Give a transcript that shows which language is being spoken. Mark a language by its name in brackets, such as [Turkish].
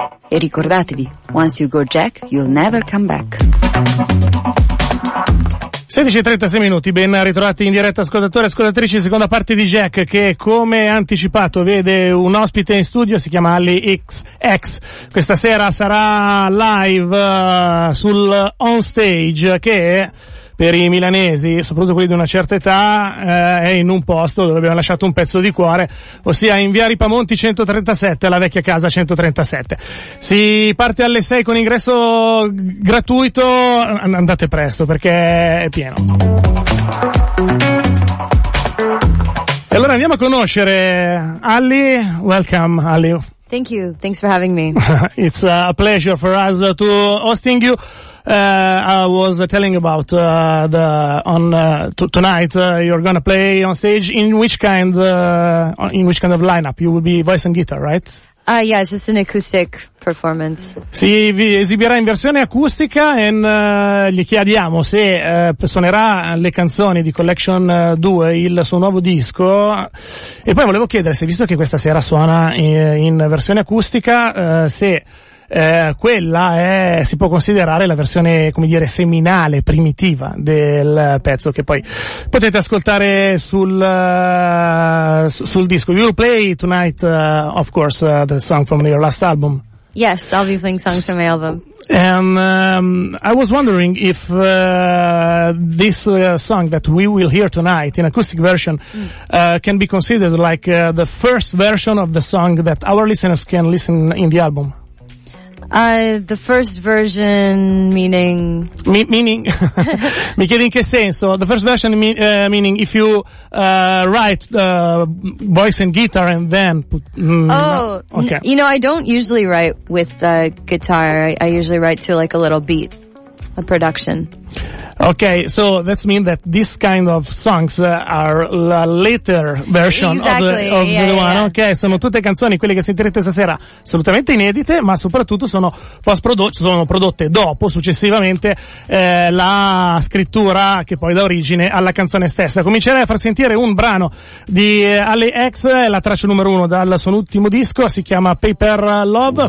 [Italian] E ricordatevi, [English] once you go Jack, you'll never come back. [Italian] 16:36 minuti, ben ritrovati in diretta ascoltatore e ascoltatrice, seconda parte di Jack che, come anticipato, vede un ospite in studio, si chiama Ali XX. Questa sera sarà live sul on stage che, per i milanesi, soprattutto quelli di una certa età, è in un posto dove abbiamo lasciato un pezzo di cuore, ossia in via Ripamonti 137, alla vecchia casa 137. Si parte alle 6 con ingresso gratuito, andate presto perché è pieno. E allora andiamo a conoscere Ali. [English] Welcome, Ali. Thank you, thanks for having me. It's a pleasure for us to hosting you. I was telling about tonight you're gonna play on stage in which kind of lineup. You will be voice and guitar, right? Yeah, it's just an acoustic performance. [Italian] Si esibirà in versione acustica e gli chiediamo se suonerà le canzoni di Collection 2, il suo nuovo disco. E poi volevo chiedere se, visto che questa sera suona in versione acustica, se quella è, si può considerare la versione, come dire, seminale, primitiva del pezzo, che poi potete ascoltare sul disco. [English] You'll play tonight, of course, the song from your last album. Yes, I'll be playing songs from my album. And I was wondering if this song that we will hear tonight in acoustic version can be considered like the first version of the song that our listeners can listen in the album. The first version meaning... Meaning? [Italian] Mi chiedi in che senso? [English] The first version meaning if you write voice and guitar and then put... Okay. You know, I don't usually write with the guitar. I usually write to like a little beat, a production. Okay, so that means that this kind of songs are the later version of the one. [Italian] Okay, sono tutte canzoni, quelle che sentirete stasera, assolutamente inedite, ma soprattutto sono prodotte dopo, successivamente, la scrittura che poi dà origine alla canzone stessa. Comincerei a far sentire un brano di Ali X, la traccia numero uno dal suo ultimo disco, si chiama Paper Love.